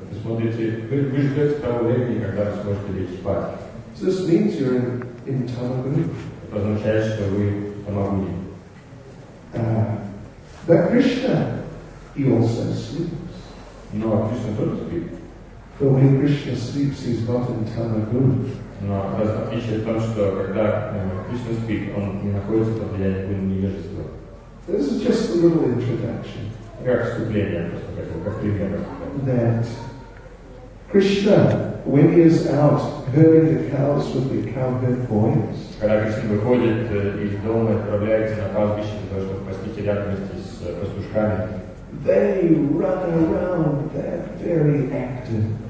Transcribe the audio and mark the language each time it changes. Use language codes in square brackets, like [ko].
[ru] Вы ждете того времени, когда вы сможете лечь спать. [en] So this means you're in Tamaguni. [ru] Это означает, что вы в Тамагуни. [en] But Krishna, he also sleeps. [ru] Но Кришна тоже спит. [en] But when Krishna sleeps, he's not in Tamaguni. [ru] Но отличие в том, что когда Кришна спит, он не находится под влиянием невежества. [en] This is just a little introduction. [ru] Как вступление, просто как пример. [en] That Krishna, when he is out herding the cows with the cowherd boys, [ru] когда Кришна выходит из дома и отправляется на пастбище для того, чтобы пастись рядом с пастушками, [en] they run around, they're very active.